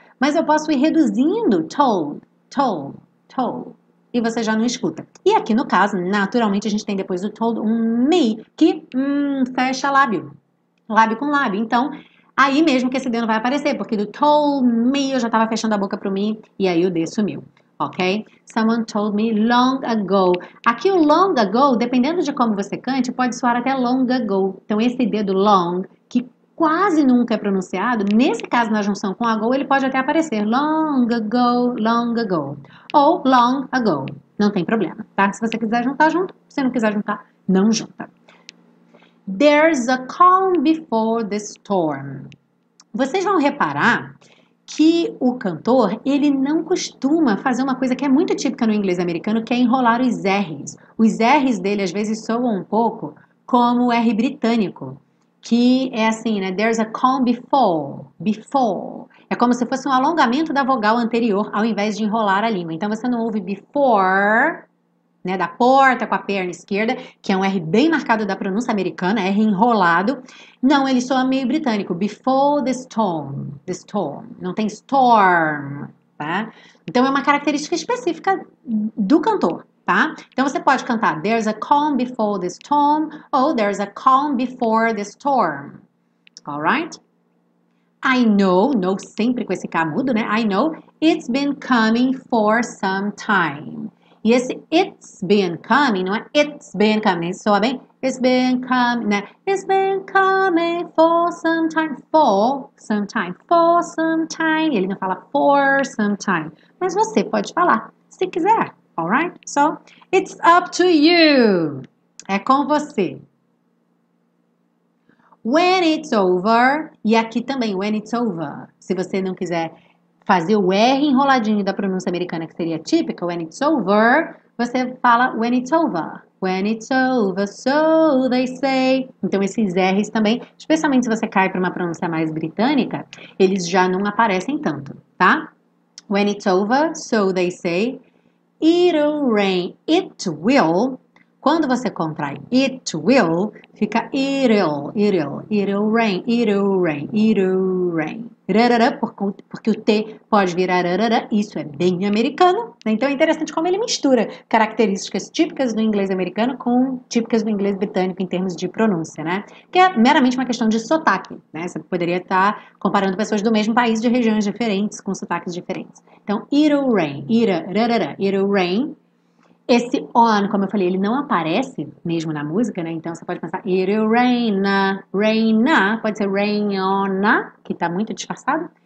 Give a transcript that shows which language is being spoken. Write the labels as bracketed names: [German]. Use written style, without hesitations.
[Portuguese] Mas eu posso ir reduzindo, told, told, told, e você já não escuta. E aqui no caso, naturalmente, a gente tem depois do told um me, que fecha lábio, lábio com lábio. Então, aí mesmo que esse D não vai aparecer, porque do told me eu já estava fechando a boca para o me, e aí o D sumiu. Ok? [English] Someone told me long ago. [Portuguese] Aqui o [English] long ago, [Portuguese] dependendo de como você cante, pode soar até long ago. Então esse D do long, que quase nunca é pronunciado, nesse caso na junção com ago, ele pode até aparecer. [English] Long ago, long ago. Ou long ago. [Portuguese] Não tem problema, tá? Se você quiser juntar, junto. Se não quiser juntar, não junta. [English] There's a calm before the storm. [Portuguese] Vocês vão reparar que o cantor, ele não costuma fazer uma coisa que é muito típica no inglês americano, que é enrolar os R's. Os R's dele, às vezes, soam um pouco como o R britânico, que é assim, né? [English] There's a calm before, before. [Portuguese] É como se fosse um alongamento da vogal anterior, ao invés de enrolar a língua. Então, você não ouve before, né? Da porta com a perna esquerda, que é um R bem marcado da pronúncia americana, R enrolado. Não, ele soa meio britânico. [English] Before the storm. The storm. [Portuguese] Não tem storm, tá? Então é uma característica específica do cantor, tá? Então você pode cantar [English] There's a calm before the storm ou There's a calm before the storm. Alright? I know, [Portuguese] no sempre com esse K mudo, né? [English] I know it's been coming for some time. [Portuguese] E esse [English] it's been coming, [Portuguese] não é it's been coming, soa bem? [English] It's been coming, né? It's been coming for some time, for some time, for some time. [Portuguese] Ele não fala [English] for some time, [Portuguese] mas você pode falar, se quiser, alright? [English] So, it's up to you. [Portuguese] É com você. [English] When it's over, [Portuguese] e aqui também, when it's over, se você não quiser fazer o R enroladinho da pronúncia americana, que seria típica, when it's over, você fala when it's over. [English] When it's over, so they say. [Portuguese] Então, esses R's também, especialmente se você cai para uma pronúncia mais britânica, eles já não aparecem tanto, tá? [English] When it's over, so they say. It'll rain, it will. [Portuguese] Quando você contrai it will, fica it'll, it'll, [English] it'll rain, it'll rain, it'll rain. [Portuguese] Rarara, porque o T pode virar rarara, isso é bem americano. Né? Então é interessante como ele mistura características típicas do inglês americano com típicas do inglês britânico em termos de pronúncia, né? Que é meramente uma questão de sotaque, né? Você poderia estar comparando pessoas do mesmo país de regiões diferentes com sotaques diferentes. [English] Então, it'll rain, ira, rarara, it'll rain. [Portuguese] Esse on, como eu falei, ele não aparece mesmo na música, né? Então você pode pensar [English] It'll rain [Portuguese] na, rain na, pode ser rain on na, que tá muito disfarçado.